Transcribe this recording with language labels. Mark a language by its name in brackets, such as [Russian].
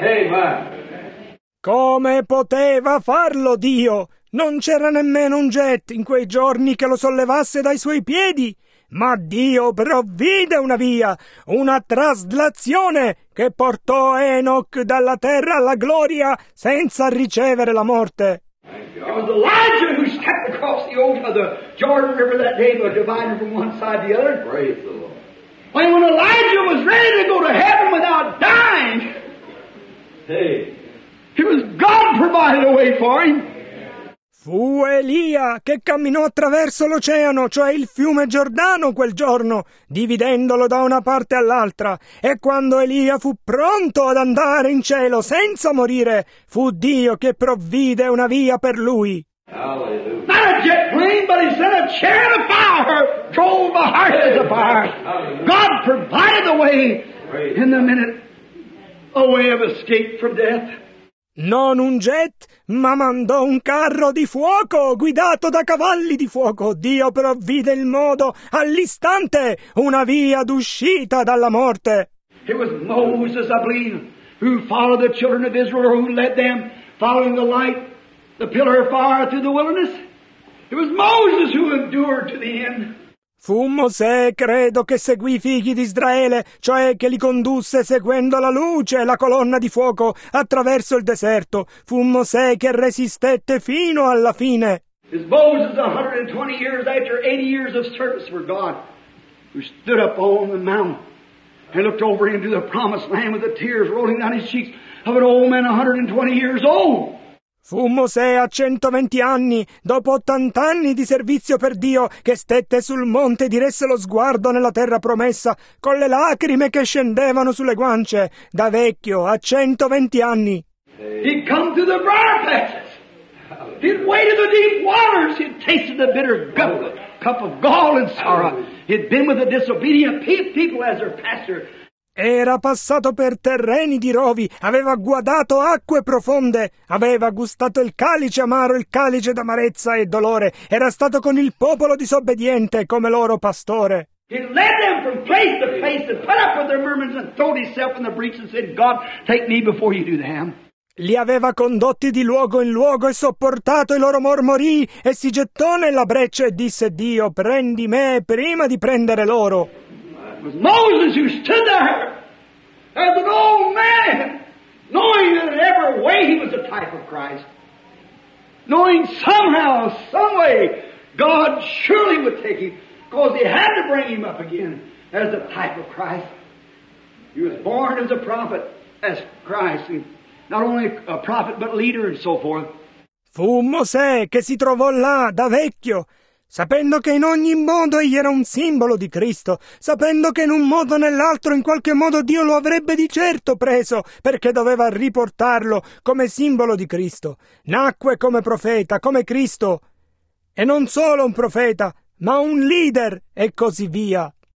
[English] Hey, man. [Italian] Come poteva farlo Dio? Non c'era nemmeno un jet in quei giorni che lo sollevasse dai suoi piedi, ma Dio provvide una via, una traslazione che portò Enoch dalla terra alla gloria senza ricevere la morte. [English] It was Elijah who stepped across the old the Jordan River that day, but divided from one side to the other. Praise the Lord. When Elijah was ready to go to heaven without dying. Hey. It was God provided a way for him. [Italian] Fu Elia che camminò attraverso l'oceano, cioè il fiume Giordano, quel giorno, dividendolo da una parte all'altra. E quando Elia fu pronto ad andare in cielo senza morire, fu Dio che provvide una via per lui. [English] Hallelujah. Not a jet plane, but he sent a chariot of fire, drove the heart of the fire. God provided a way in the minute, a way of escape from death. [Italian] Non un jet, ma mandò un carro di fuoco guidato da cavalli di fuoco. Dio provvide il modo all'istante, una via d'uscita dalla morte. [English] It was Moses, I believe, who followed the children of Israel, who led them, following the light, the pillar of fire through the wilderness. It was Moses who endured to the end. [Italian] Fu Mosè, credo, che seguì i figli di Israele, cioè che li condusse seguendo la luce e la colonna di fuoco attraverso il deserto. Fu Mosè che resistette fino alla fine. [English] It's Moses 120 years after 80 years of service for God, who stood up on the mountain and looked over into the promised land with the tears rolling down his cheeks of an old man 120 years old. [Italian] Fu Mosè a 120 anni, dopo 80 anni di servizio per Dio, che stette sul monte e diresse lo sguardo nella terra promessa, con le lacrime che scendevano sulle guance, da vecchio a 120 anni. [English] He'd come through the briar patches. He'd waded the deep waters. He'd tasted the bitter cup of gall and sorrow. He'd been with the disobedient people as their pastor. [Italian] Era passato per terreni di rovi, aveva guadato acque profonde, aveva gustato il calice amaro, il calice d'amarezza e dolore, era stato con il popolo disobbediente come loro pastore. [English] He led them from place to place and put up with their murmurs and throwed himself in the breach and said, God, take me before you do them. [Italian] Li aveva condotti di luogo in luogo e sopportato i loro mormorii e si gettò nella breccia e disse, Dio, prendi me prima di prendere loro. [English] Moses who stood there as an old man, knowing that in every way he was a type of Christ, knowing somehow, some way, God surely would take him, because he had to bring him up again as a type of Christ. He was born as a prophet, as Christ, and not only a prophet but leader and so forth. [Italian] Fu Mosè che si trovò là da vecchio, sapendo che in ogni modo egli era un simbolo di Cristo, sapendo che in un modo o nell'altro, in qualche modo, Dio lo avrebbe di certo preso, perché doveva riportarlo come simbolo di Cristo. Nacque come profeta, come Cristo, e non solo un profeta, ma un leader, e così via.